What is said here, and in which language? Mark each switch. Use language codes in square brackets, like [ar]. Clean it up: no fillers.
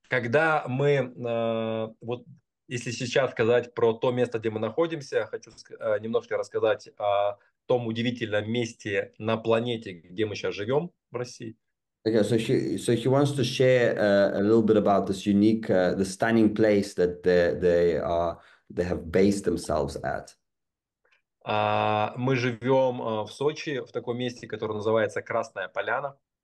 [ru] Когда мы, вот если сейчас сказать про то место, где мы находимся, хочу немножко рассказать о том удивительном месте на планете, где мы сейчас живем в России. [en] Okay, so he wants to share a little bit about this unique the stunning place that they have based themselves at. [ru] Мы живем в Сочи, в таком месте, которое называется Красная Поляна.